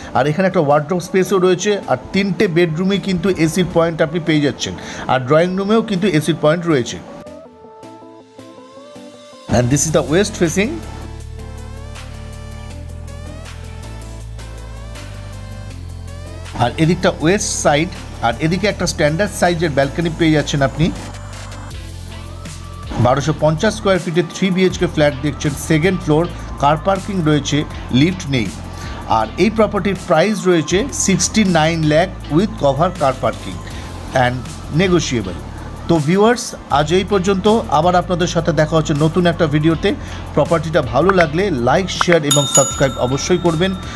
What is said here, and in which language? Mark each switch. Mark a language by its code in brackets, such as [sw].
[bn] আর এখানে একটা ওয়ার্ড্রোব স্পেসও রয়েছে। আর তিনটে বেডরুমে কিন্তু এসির পয়েন্ট আপনি পেয়ে যাচ্ছেন, আর ড্রয়িং রুমেও কিন্তু এসির পয়েন্ট রয়েছে। [en] And this is the west facing. [bn] আর এদিকটা ওয়েস্ট সাইড, আর এদিকে একটা স্ট্যান্ডার্ড সাইজের ব্যালকনি পেয়ে যাচ্ছেন আপনি। 1250 square feet 3 BHK ফ্ল্যাট দেখছেন। সেকেন্ড ফ্লোর, কার পার্কিং রয়েছে, লিফ্ট নেই। আর এই প্রপার্টির প্রাইস রয়েছে 69 lakh [en] With cover car parking and negotiable. [bn] তো ভিউয়ার্স, আজ এই পর্যন্ত। আবার আপনাদের সাথে দেখা হচ্ছে নতুন একটা ভিডিওতে। প্রপার্টিটা ভালো লাগলে লাইক, শেয়ার এবং সাবস্ক্রাইব অবশ্যই করবেন।